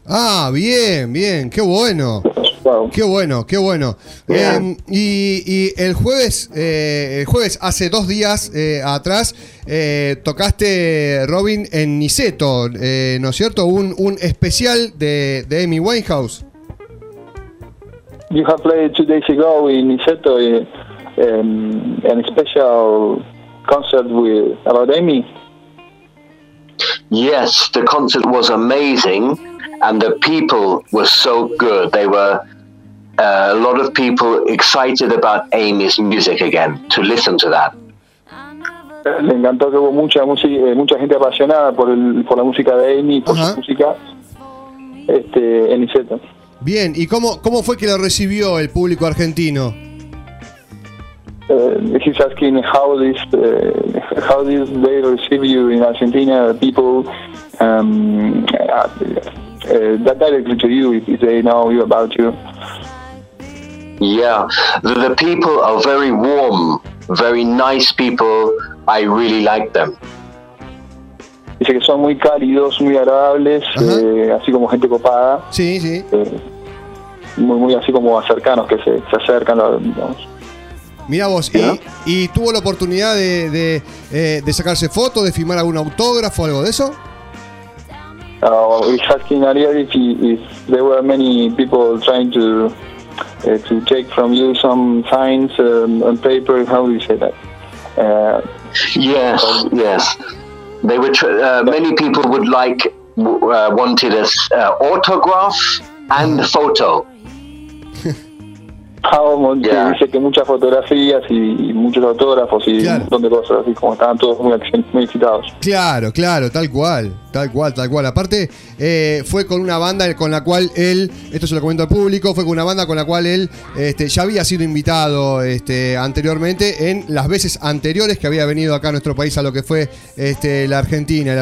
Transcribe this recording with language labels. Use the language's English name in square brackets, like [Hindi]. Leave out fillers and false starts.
[Spanish] Ah, bien, qué bueno. Qué bueno. [English] Yeah. [Spanish] Y el jueves hace 2 días atrás, tocaste, Robin, en Niceto, ¿no es cierto? Un especial de Amy Winehouse. [English] You have played 2 days ago in Niceto, and special concert about Amy. Yes, the concert was amazing, and the people were so good. They were a lot of people excited about Amy's music again to listen to that. [Spanish] Me encantó que hubo mucha gente apasionada por la música de Amy, por su música, en Niceto. Bien, ¿y cómo fue que la recibió el público argentino? [English] He's asking how did they receive you in Argentina, people that directly to you, if they know you about you. Yeah, the people are very warm, very nice people. I really like them. [Spanish] Dice que son muy cálidos, muy agradables, así como gente copada. Sí, sí. Muy, muy así como cercanos, que se acercan, digamos. Mirá vos, ¿y tuvo la oportunidad de sacarse fotos, de firmar algún autógrafo, algo de eso? [English] He's asking Ariel if there were many people trying to take from you some signs on paper. How do you say that? Yes. They were many people would like wanted a autograph and a photo. [Spanish] Dice que muchas fotografías y muchos autógrafos y un montón de cosas, así como estaban todos muy, muy excitados. Claro, tal cual. Aparte, fue con una banda con la cual él, esto se lo comento al público, fue con una banda con la cual él ya había sido invitado anteriormente, en las veces anteriores que había venido acá a nuestro país, a lo que fue la Argentina.